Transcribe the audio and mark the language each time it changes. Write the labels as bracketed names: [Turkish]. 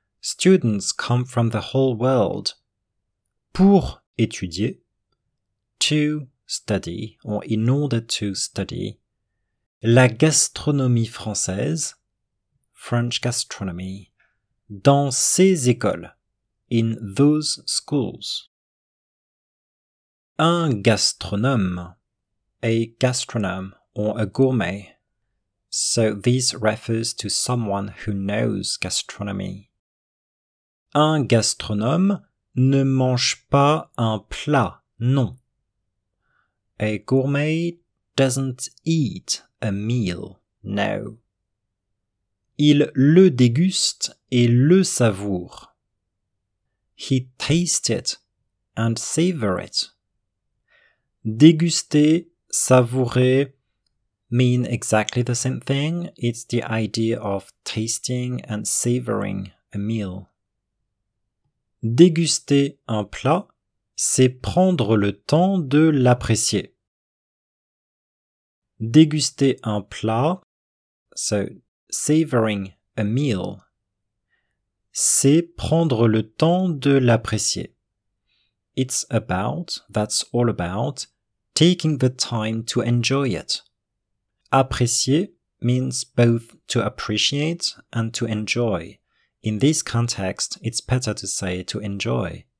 [English] Students come from the whole world. [French] Pour étudier, [English] to study, or in order to study, [French] la gastronomie française, [English] French gastronomy, [French] dans ces écoles, [English] in those schools. [French] Un gastronome, [English] a gastronome, or a gourmet. So this refers to someone who knows gastronomy. [French] Un gastronome ne mange pas un plat, non. [English] A gourmet doesn't eat a meal, no. [French] Il le déguste et le savoure. [English] He tastes it and savour it. Déguster, savourer mean exactly the same thing. It's the idea of tasting and savouring a meal. [French] Déguster un plat, c'est prendre le temps de l'apprécier. Déguster un plat, [English] so savouring a meal, [French] c'est prendre le temps de l'apprécier. [English] It's about, that's all about, taking the time to enjoy it. Apprécier means both to appreciate and to enjoy. In this context, it's better to say to enjoy.